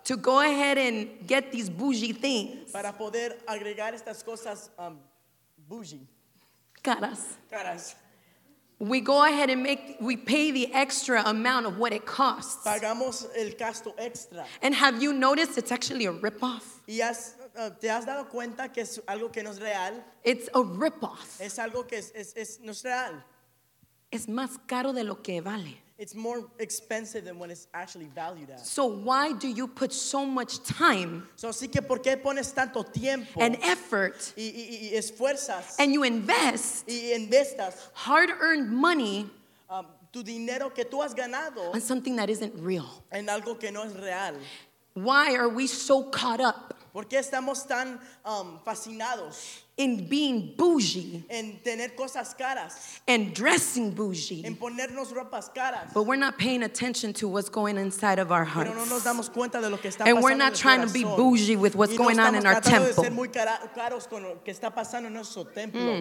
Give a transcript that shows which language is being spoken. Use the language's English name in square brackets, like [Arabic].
[English] To go ahead and get these bougie things. [Spanish] Para poder agregar estas cosas bougie. Caras. [English] We go ahead and pay the extra amount of what it costs. [Spanish] Pagamos el gasto extra. [English] And have you noticed it's actually a ripoff? Yes. [Spanish] ¿Te has dado cuenta que es algo que no es real? [English] It's a ripoff. [Spanish] Es algo que es no es real. Es más caro de lo que vale. [English] It's more expensive than what it's actually valued at. So why do you put so much time? [Spanish] So así que ¿por qué pones tanto tiempo? [English] And effort. [Spanish] Y esfuerzas. [English] And you invest. [Spanish] Y investas. [English] Hard-earned money. [Spanish] Tu dinero que tú has ganado. [English] On something that isn't real. [Spanish] En algo que no es real. [English] Why are we so caught up? [Spanish] ¿Por qué estamos tan fascinados? [English] In being bougie. [Spanish] En tener cosas caras. [English] And dressing bougie. [Spanish] En ponernos ropas caras. [English] But we're not paying attention to what's going inside of our hearts. [Spanish] Pero no nos damos cuenta de lo que está pasando. [English] And we're not trying to be bougie with what's going on in our temple. [Spanish] Y no estamos tratando de ser muy caros con lo que está pasando en nuestro templo.